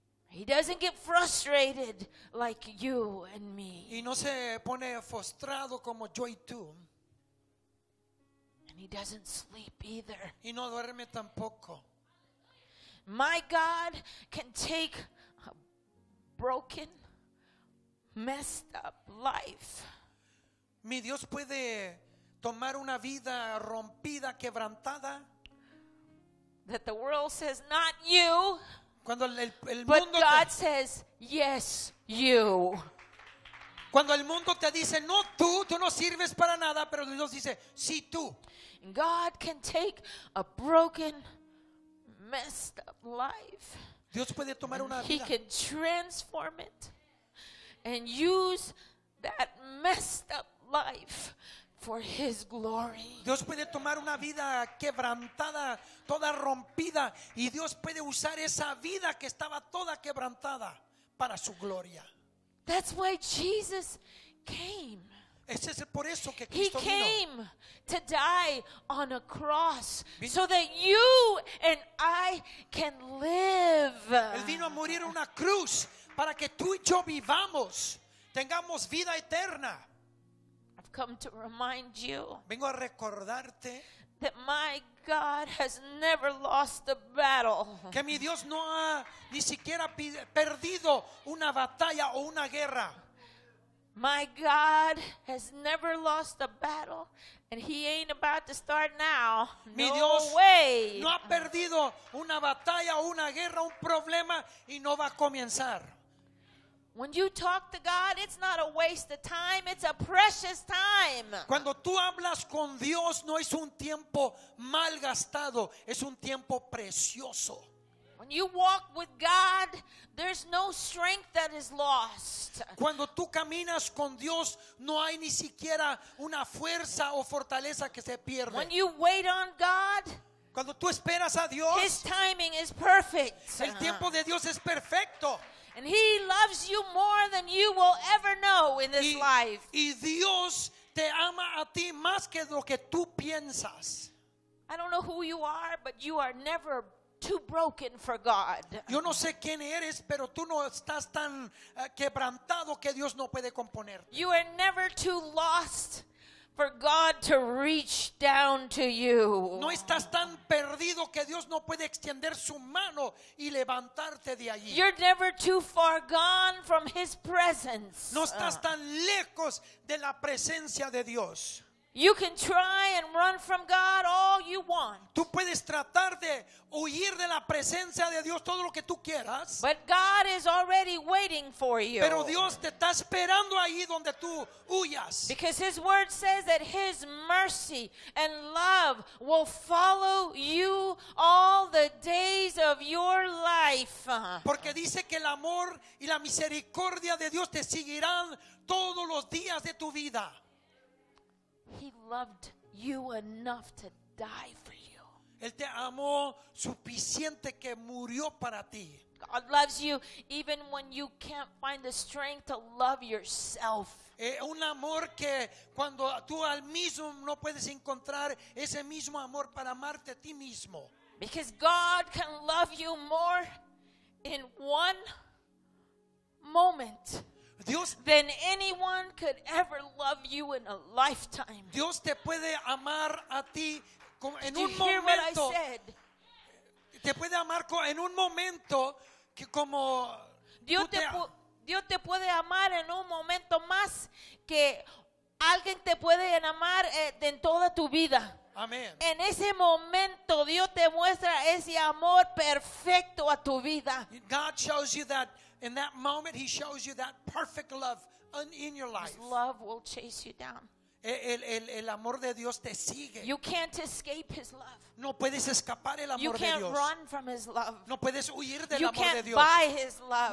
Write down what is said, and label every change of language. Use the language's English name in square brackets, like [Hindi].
[English] He doesn't get frustrated like you and me. [Spanish] Y no se pone frustrado como yo y tú. [English] And he doesn't sleep either. [Spanish] Y no duerme tampoco. [English] My God can take a broken, messed up life. [Spanish] Mi Dios puede tomar una vida rompida, quebrantada. [English] That the world says not you. [Spanish] Cuando el [English] but [Spanish] mundo [English] God [Spanish] te... [English] says, yes, you. [Spanish] Cuando el mundo te dice, no tú, tú no sirves para nada, pero Dios dice, sí tú. [English] God can take a broken, messed up life. [Spanish] Dios puede tomar una vida. [English] He can transform it and use that messed up life for His glory. [Spanish] Dios puede tomar una vida quebrantada, toda rompida, y Dios puede usar esa vida que estaba toda quebrantada para su gloria. [English] That's why Jesus came. [Spanish] Ese es por eso que Cristo vino. [English] He came to die on a cross so that you and I can live. [Spanish] Él vino a morir en una cruz para que tú y yo vivamos, tengamos vida eterna. [English] I've come to remind you. [Spanish] Vengo a recordarte. [English] That my God has never lost a battle. [Spanish] Que mi Dios no ha ni siquiera perdido una batalla o una guerra. [English] My God has never lost a battle, and He ain't about to start now. [Spanish] Mi Dios [English] no way. [Spanish] No ha perdido una batalla o una guerra, un problema, y no va a comenzar. [English] When you talk to God, it's not a waste of time, it's a precious time. [Spanish] Cuando tú hablas con Dios, no es un tiempo mal gastado, es un tiempo precioso. [English] When you walk with God, there's no strength that is lost. [Spanish] Cuando tú caminas con Dios, no hay ni siquiera una fuerza o fortaleza que se pierde. [English] When you wait on God, [Spanish] cuando tú esperas a Dios, [English] His timing is perfect. [Spanish] El tiempo de Dios es perfecto. [English] And He loves you more than you will ever know in this life. [Spanish] Y Dios te ama a ti más que lo que tú piensas. [English] I don't know who you are, but you are never too broken for God. [Spanish] Yo no sé quién eres, pero tú no estás tan quebrantado que Dios no puede componerte. [English] You are never too lost for God to reach down to you. [Spanish] No estás tan perdido que Dios no puede extender su mano y levantarte de allí. [English] You're never too far gone from His presence. [Spanish] No estás tan lejos de la presencia de Dios. [English] You can try and run from God all you want. [Spanish] Tú puedes tratar de huir de la presencia de Dios todo lo que tú quieras. [English] But God is already waiting for you. [Spanish] Pero Dios te está esperando ahí donde tú huyas. [English] Because His word says that His mercy and love will follow you all the days of your life. [Spanish] Porque dice que el amor y la misericordia de Dios te seguirán todos los días de tu vida. [English] He loved you enough to die for you. [Spanish] Él te amó suficiente que murió para ti. [English] God loves you even when you can't find the strength to love yourself. [Spanish] Un amor que cuando tú al mismo no puedes encontrar ese mismo amor para amarte a ti mismo. [English] Because God can love you more in one moment. [Spanish] Dios, [English] than anyone could ever love you in a lifetime. [Spanish] Dios te puede amar a ti en un momento. Te puede amar en un momento que como Dios te puede amar en un momento más que alguien te puede amar en toda tu vida. Amén. En ese momento Dios te muestra ese amor perfecto a tu vida. [English] God shows you that. In that moment, He shows you that perfect love in your life. His love will chase you down. [Spanish] El amor de Dios te sigue. [English] You can't escape His love. [Spanish] No puedes escapar el amor de Dios. [English] You can't run from His love. [Spanish] No puedes huir del [English] you [Spanish] amor de Dios. [English] You can't buy His love.